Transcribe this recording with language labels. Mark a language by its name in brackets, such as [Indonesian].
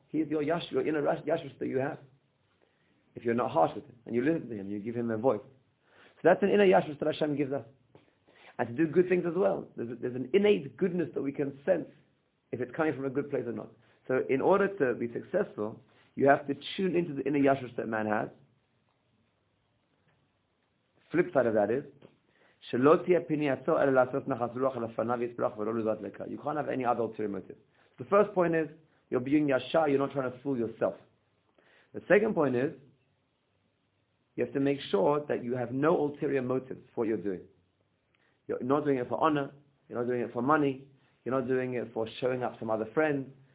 [English] He's your yashu, your inner yashu that you have. If you're not harsh with him and you listen to him, you give him a voice. So that's an inner yashu that Hashem gives us. And to do good things as well. There's an innate goodness that we can sense if it's coming from a good place or not. So in order to be successful, you have to tune into the inner yashrus that man has. Flip side of that is, [Hebrew] שלא תהיה פנייתו אלא לעשות נחת רוח לפניו יתברך ולא לזולת לך. [English] You can't have any other ulterior motive. The first point is, you're being yashar, you're not trying to fool yourself. The second point is, you have to make sure that you have no ulterior motives for what you're doing. You're not doing it for honor, you're not doing it for money, you're not doing it for showing up some other friend.